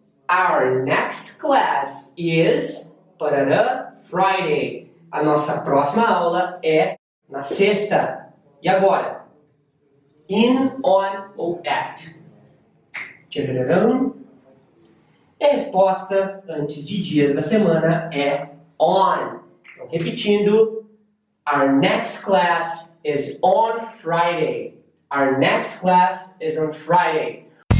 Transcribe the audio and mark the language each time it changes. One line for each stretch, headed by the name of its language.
English: Our next class is parará, Friday.
Portuguese: A nossa próxima aula é na sexta. E agora? In, on ou at? Tcharam. E a resposta antes de dias da semana é on. Então, repetindo,
English: our next class is on Friday. Our next class is on Friday.